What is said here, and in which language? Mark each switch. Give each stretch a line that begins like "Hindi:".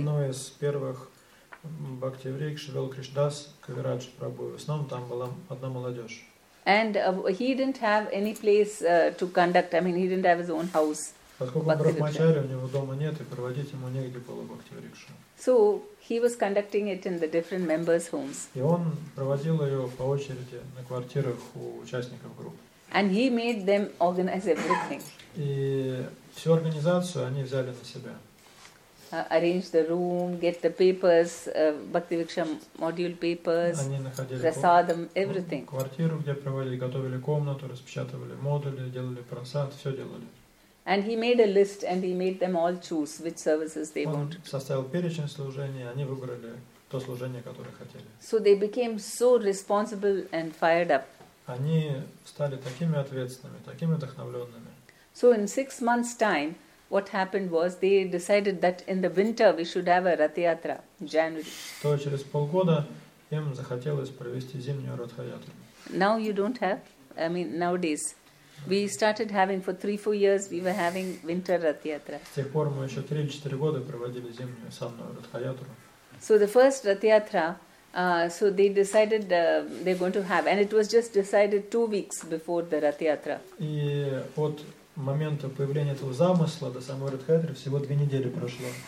Russian: Одно из первых бхакти рикш вел Кришнадас Кавирадж Прабху. В основном там была одна молодежь.
English: And he didn't have any place to conduct. I mean, he didn't have his own house.
Russian: Поскольку он брахмачари, у него дома нет, и проводить ему негде было бхакти рикшу.
English: So he was conducting it in the different members' homes.
Russian: И он проводил ее по очереди на квартирах у участников группы.
English: And he made them organize everything.
Russian: И всю организацию они взяли на себя.
English: Arrange the room, get the papers, bhakti viksha module papers, prasadam, everything.
Russian: Квартиру, где проводили, готовили комнату, распечатывали модули, делали прасад, все делали.
English: And he made a list and he made them all choose which services they wanted.
Russian: Он составил перечень служений, они выбрали то служение, которое хотели.
English: So they became so responsible and fired up.
Russian: Они стали такими ответственными, такими вдохновленными.
English: So in 6 months' time, what happened was they decided that in the winter we should have a ratha-yatra in January.
Russian: То через полгода им захотелось провести зимнюю ратха-ятру.
English: Now you don't have, I mean nowadays. We started having for 3-4 years we were having winter ratha-yatra.
Russian: С тех пор мы еще 3-4 года проводили зимнюю самую ратха-ятру.
English: So the first ratha-yatra, so they decided they're going to have, and it was just decided 2 weeks before the ratha-yatra.
Russian: И от момента появления этого замысла до самой ратха-ятры всего 2 недели прошло.